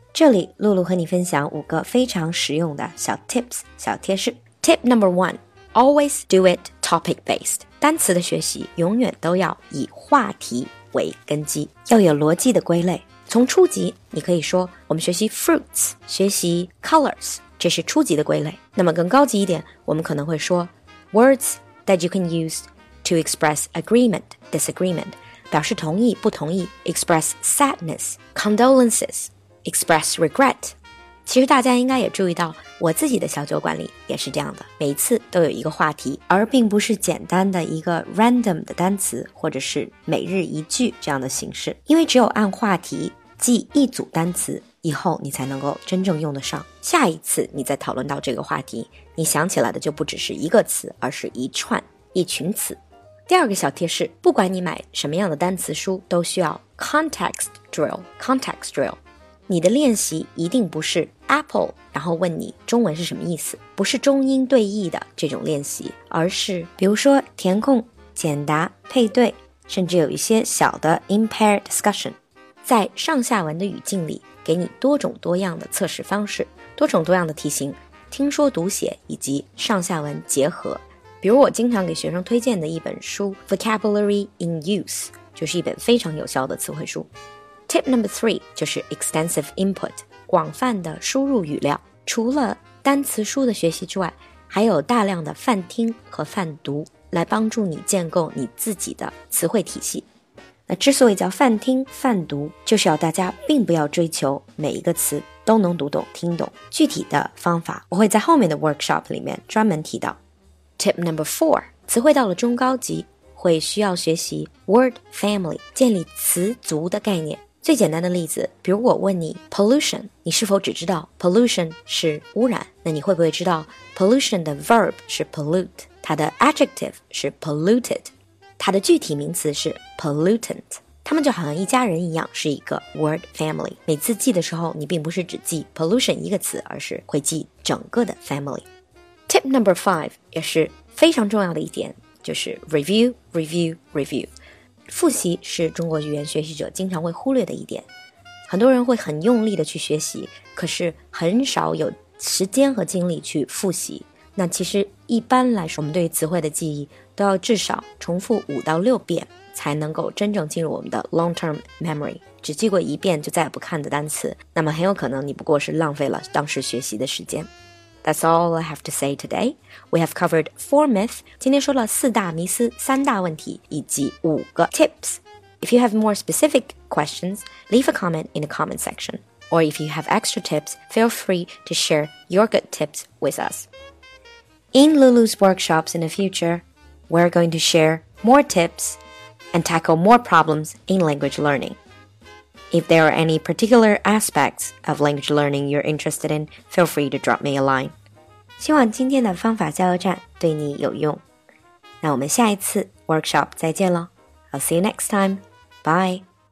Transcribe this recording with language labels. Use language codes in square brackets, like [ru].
[zh] 这里露露和你分享五个非常实用的小 tips 小贴士。 [en] Tip number one， Always do it topic based， [zh] 单词的学习永远都要以话题为根基，要有逻辑的归类。从初级你可以说我们学习 fruits， 学习 colors， 这是初级的归类。那么更高级一点，我们可能会说 [en] words that you can use to express agreement disagreement， [zh] 表示同意不同意， [en] express sadness condolences， express regret。 [zh] 其实大家应该也注意到，我自己的小酒馆里也是这样的，每次都有一个话题，而并不是简单的一个 random 的单词或者是每日一句这样的形式，因为只有按话题记一组单词以后，你才能够真正用得上。下一次你再讨论到这个话题，你想起来的就不只是一个词，而是一串一群词。第二个小贴士，不管你买什么样的单词书，都需要 context drill， context drill。你的练习一定不是 apple 然后问你中文是什么意思，不是中英对译的这种练习，而是比如说填空、简答、配对，甚至有一些小的 impaired discussion， 在上下文的语境里给你多种多样的测试方式，多种多样的题型，听说读写以及上下文结合。比如我经常给学生推荐的一本书 Vocabulary in Use 就是一本非常有效的词汇书。 [en] Tip number three [zh] 就是 [en] extensive input， [zh] 广泛的输入语料。除了单词书的学习之外，还有大量的泛听和泛读来帮助你建构你自己的词汇体系。那之所以叫泛听泛读，就是要大家并不要追求每一个词都能读懂听懂，具体的方法我会在后面的 workshop 里面专门提到。 [en] Tip number four， [zh] 词汇到了中高级会需要学习 word family， 建立词族的概念。最简单的例子，比如我问你 pollution， 你是否只知道 pollution 是污染，那你会不会知道 pollution 的 verb 是 pollute， 它的 adjective 是 polluted， 它的具体名词是 pollutant， 它们就好像一家人一样，是一个 word family。每次记的时候你并不是只记 pollution 一个词，而是会记整个的 family。 [en] Tip number five [zh] 也是非常重要的一点，就是 [en] review review review。 [zh] 复习是中国语言学习者经常会忽略的一点，很多人会很用力的去学习，可是很少有时间和精力去复习。那其实一般来说，我们对词汇的记忆都要至少重复五到六遍才能够真正进入我们的 long term memory， 只记过一遍就再也不看的单词，那么很有可能你不过是浪费了当时学习的时间。 [en] That's all I have to say today. We have covered four myths. [zh] 今天说了四大迷思、三大问题以及五个 tips. [en] If you have more specific questions, leave a comment in the comment section. Or if you have extra tips, feel free to share your good tips with us. In Lulu's workshops in the future, we're going to share more tips and tackle more problems in language learning. If there are any particular aspects of language learning you're interested in, feel free to drop me a line. [zh] 希望今天的方法加油站对你有用。那我们下一次 workshop 再见咯。 [en] I'll see you next time. Bye.